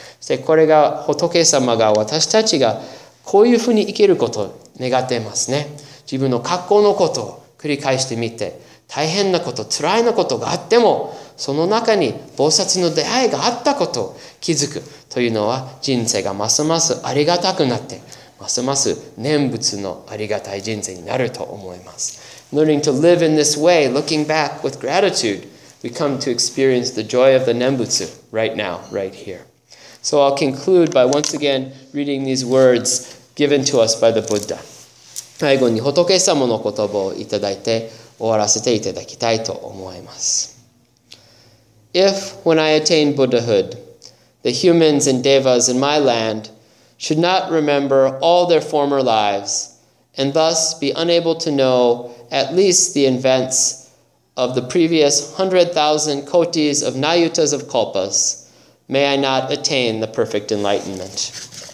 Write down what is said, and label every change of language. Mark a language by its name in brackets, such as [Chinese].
[Japanese] そしてこれが仏様が私たちがこういうふうに生きること願っていますね。自分の過去のことを繰り返してみて、大変なこと、辛いなことがあっても、その中に菩薩の出会いがあったことを気づくというのは、人生がますますありがたくなって、ますます念仏のありがたい人生になると思います。 [English] Learning to live in this way, looking back with gratitude, we come to experience the joy of the Nembutsu right now, right here. So I'll conclude by once again reading these words given to us by the Buddha. [Japanese] 最後に仏様の言葉をいただいて終わらせていただきたいと思います。 [English] If, when I attain Buddhahood, the humans and devas in my land should not remember all their former lives and thus be unable to know at least the events of the previous 100,000 kotis of Nayutas of Kalpas, may I not attain the perfect enlightenment.